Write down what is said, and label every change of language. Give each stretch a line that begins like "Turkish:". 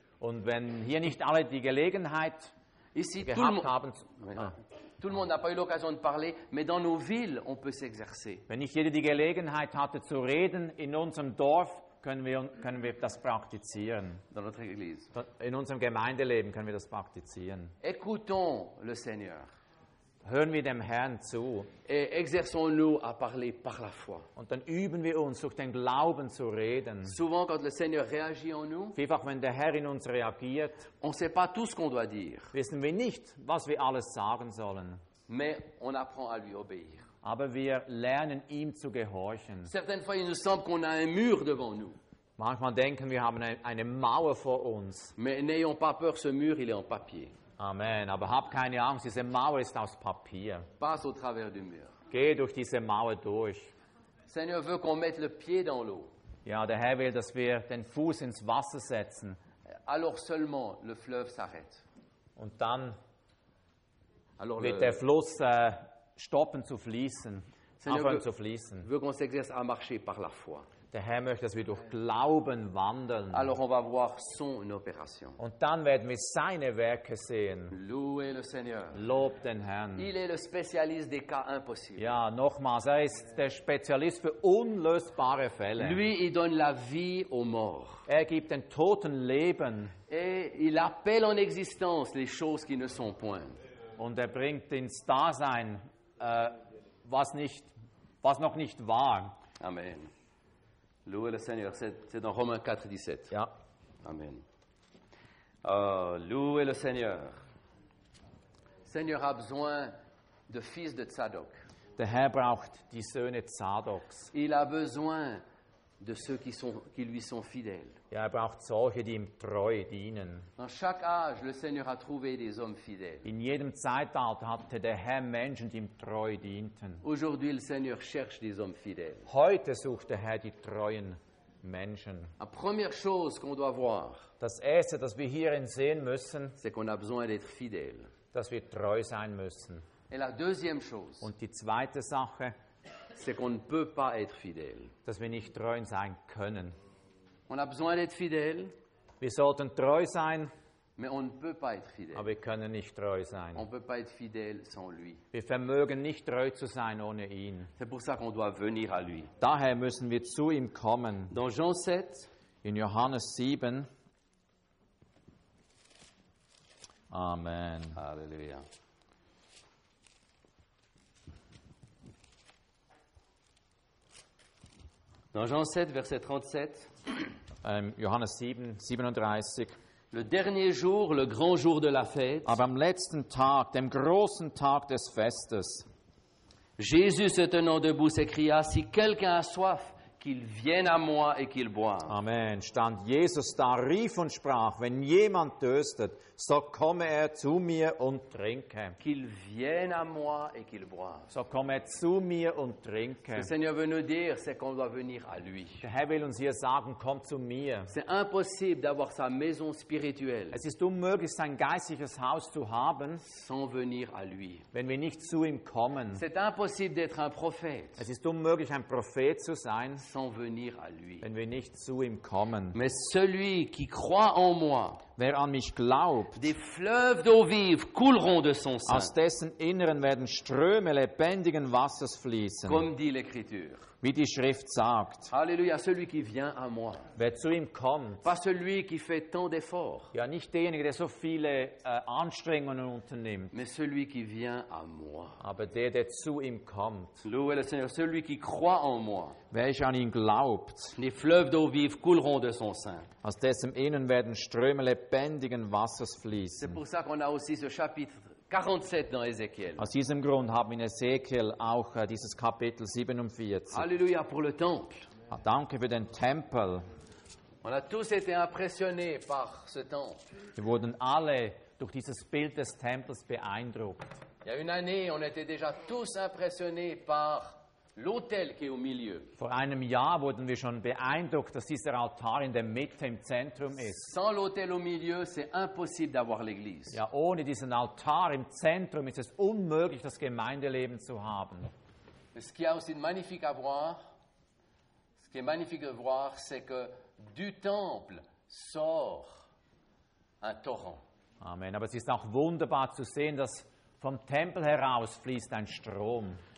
German: Und wenn hier nicht alle die Gelegenheit
French: ici,
German: gehabt
French: tout le monde,
German: haben...
French: Tout le monde n'a pas eu l'occasion de parler, mais dans nos villes, on peut s'exercer.
German: Wenn nicht jeder die Gelegenheit hatte zu reden, in unserem Dorf, können wir das praktizieren.
French: Dans notre église.
German: In unserem Gemeindeleben können wir das praktizieren.
French: Écoutons le Seigneur.
German: Hören wir dem Herrn zu.
French: Et exerçons-nous à parler par la foi.
German: Und dann üben wir uns, durch den Glauben zu reden.
French: Souvent, quand le Seigneur réagit en nous,
German: vielfach, wenn der Herr in uns reagiert,
French: on sait pas tout ce qu'on doit dire.
German: Wissen wir nicht, was wir alles sagen sollen.
French: Mais on apprend à lui obéir.
German: Aber wir lernen, ihm zu gehorchen.
French: Certaines fois, il nous semble qu'on a un mur devant nous.
German: Manchmal denken wir, haben eine Mauer vor uns.
French: Mais n'ayons pas peur, ce mur, il est en papier. Amen.
German: Aber hab keine Angst, diese Mauer ist aus Papier.
French: Passe au travers du mur.
German: Geh durch diese Mauer durch.
French: Seigneur veut qu'on mette le pied dans l'eau.
German: Ja, der Herr will, dass wir den Fuß ins Wasser setzen.
French: Alors seulement le fleuve s'arrête.
German: Und dann
French: alors
German: wird der Fluss stoppen zu fließen.
French: Seigneur
German: aufhören zu fließen.
French: Veut qu'on s'exerce à marcher par la foi.
German: Der Herr möchte, dass wir durch Glauben wandeln.
French: Alors on va voir son opération.
German: Und dann werden wir seine Werke sehen.
French: Louez le Seigneur.
German: Lob den Herrn.
French: Il est le spécialiste des cas impossibles.
German: Ja, nochmals, er ist der Spezialist für unlösbare Fälle.
French: Lui, il donne la vie aux morts.
German: Er gibt den Toten Leben.
French: Et il appelle en existence les choses qui ne sont point.
German: Und er bringt ins Dasein, was noch nicht war. Amen.
French: Louez le Seigneur, c'est dans Romains 4:17.
German: Ja.
French: Amen. Louez le Seigneur. Seigneur a besoin de fils de Tzadok.
German: Der Herr braucht die Söhne Tzadoks.
French: Il a besoin de ceux qui lui sont fidèles.
German: Ja, er braucht solche, die ihm treu dienen.
French: Dans chaque âge, le Seigneur a trouvé des hommes fidèles.
German: In jedem Zeitalter hatte der Herr Menschen, die ihm treu dienten.
French: Aujourd'hui, le Seigneur cherche des hommes fidèles.
German: Heute sucht der Herr die treuen Menschen.
French: La première chose qu'on doit voir,
German: das Erste, das wir hierin sehen müssen,
French: c'est qu'on a besoin d'être fidèles.
German: Dass wir treu sein müssen.
French: Et la deuxième chose,
German: und die zweite Sache,
French: c'est qu'on ne peut pas être fidèle.
German: Dass wir nicht treu sein können.
French: On a besoin d'être fidèle.
German: Wir sollten treu sein.
French: Mais on ne peut pas être fidèle.
German: Aber wir können nicht treu sein.
French: On peut pas être fidèle sans lui.
German: Wir vermögen nicht treu zu sein ohne ihn.
French: C'est pour ça qu'on doit venir à lui.
German: Daher müssen wir zu ihm kommen.
French: Dans Jean 7.
German: In Johannes 7. Amen. Halleluja.
French: Dans Jean 7, verset 37,
German: Johannes 7, 37,
French: le dernier jour, le grand jour de la fête,
German: aber am letzten Tag, dem großen Tag des Festes,
French: Jésus se tenant debout s'écria, si quelqu'un a soif, qu'il vienne à moi et qu'il boive. Amen.
German: Stand Jesus da, rief und sprach, wenn jemand dürstet, so komme er zu mir und trinke.
French: Qu'il vienne à moi et qu'il boive.
German: So komme er zu mir und trinke.
French: Ce que Seigneur veut nous dire, c'est qu'on doit venir à lui.
German: Der Herr will uns hier sagen, komm zu mir.
French: C'est impossible d'avoir sa maison spirituelle.
German: Es ist unmöglich, sein geistliches Haus zu haben,
French: sans venir à lui.
German: Wenn wir nicht zu ihm kommen.
French: C'est impossible d'être un prophète.
German: Es ist unmöglich, ein Prophet zu sein,
French: sans venir à lui.
German: Wenn wir nicht zu ihm kommen.
French: Mais celui qui croit en moi,
German: wer an mich glaubt,
French: des fleuves d'eau vive couleront de son sein.
German: Aus dessen Inneren werden Ströme lebendigen Wassers fließen.
French: Comme dit l'Écriture.
German: Wie die Schrift sagt.
French: Halleluja, celui qui vient à moi.
German: Wer zu ihm kommt.
French: Pas celui qui fait tant d'efforts.
German: Ja, nicht derjenige, der so viele Anstrengungen unternimmt.
French: Mais celui qui vient à moi.
German: Aber der, der zu ihm kommt.
French: Loue le Seigneur, celui qui croit en moi.
German: Wer ich an ihn glaubt.
French: Les fleuves d'eau vive couleront de son sein.
German: Aus dessen Innen werden Ströme lebendigen Wassers fließen.
French: C'est pour ça qu'on a aussi ce chapitre 47 dans Ézéchiel.
German: Aus diesem Grund haben wir in Ezekiel auch dieses Kapitel 47.
French: Alléluia pour le temple.
German: Danke für den Tempel.
French: On a tous été impressionnés par ce temple.
German: Wir wurden alle durch dieses Bild des Tempels beeindruckt.
French: Il y a une année, on était déjà tous impressionnés par l'autel qui est au milieu.
German: Vor einem Jahr wurden wir schon beeindruckt, dass dieser Altar in der Mitte im Zentrum ist.
French: Sans l'autel au milieu, c'est impossible d'avoir l'église.
German: Ja, ohne diesen Altar im Zentrum ist es unmöglich, das Gemeindeleben zu haben.
French: Ce qui est aussi magnifique à voir, ce qui est magnifique de voir, c'est que du temple sort un torrent. Amen.
German: Aber es ist auch wunderbar zu sehen, dass vom Tempel heraus fließt ein Strom.